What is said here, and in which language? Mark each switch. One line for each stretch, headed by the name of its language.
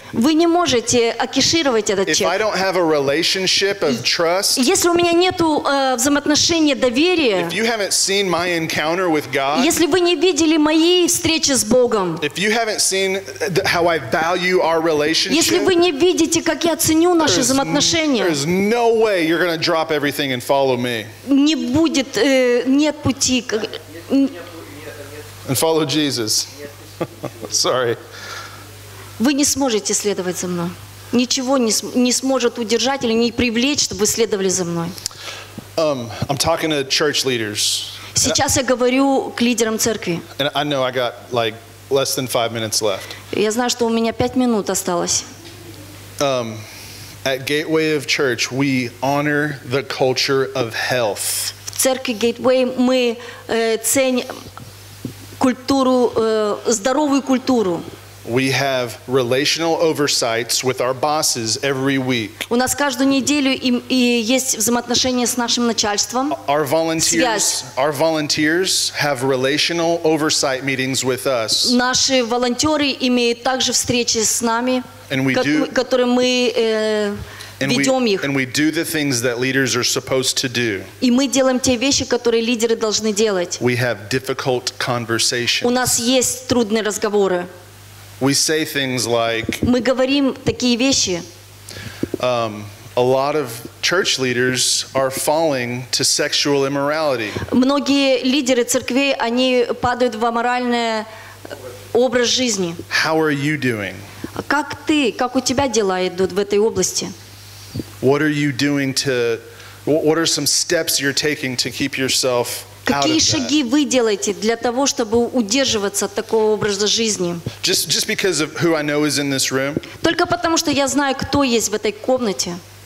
Russian: вы не можете акишировать этот
English: if
Russian: чек.
English: I don't have a relationship of trust,
Russian: если у меня нет взаимоотношения доверия,
English: if you haven't seen my encounter with God,
Russian: если вы не видели мои встречи с Богом,
English: if you haven't seen how I value our relationship,
Russian: если вы не видите, как я ценю наши взаимоотношения,
English: there is no way you're going to drop everything and follow.
Russian: Не будет, нет пути.
English: And follow Jesus. Sorry.
Russian: Вы не сможете следовать за мной. Ничего не сможет удержать или не привлечь, чтобы вы следовали за мной.
English: I'm talking to church leaders.
Russian: Сейчас я говорю к лидерам церкви.
English: And I know I got like less than 5 minutes left.
Russian: Я знаю, что у меня 5 минут осталось.
English: At Gateway of Church, we honor the culture of health.
Russian: В церкви Gateway мы ценим культуру здоровую культуру.
English: We have relational oversights with our bosses every week.
Russian: У нас каждую неделю и есть взаимоотношения с нашим начальством.
English: Our volunteers have relational oversight meetings with us.
Russian: Наши волонтеры имеют также встречи с нами.
English: And we do,
Russian: которые мы ведем их.
English: And we do the things that leaders are supposed to do.
Russian: И мы делаем те вещи, которые лидеры должны делать.
English: We have difficult conversations.
Russian: У нас есть трудные разговоры.
English: We say things like.
Russian: Мы говорим такие вещи.
English: A lot of church leaders are falling to sexual immorality.
Russian: Многие лидеры церквей, они падают в аморальный образ жизни.
English: How are you doing?
Russian: Как ты, как у тебя дела идут в этой области?
English: What are you doing to, what are some steps you're taking to keep yourself out of that?
Russian: Какие шаги вы делаете для того, чтобы удерживаться от такого образа жизни?
English: Just because of who I know is in this room.
Russian: Только потому, что я знаю, кто есть в этой комнате.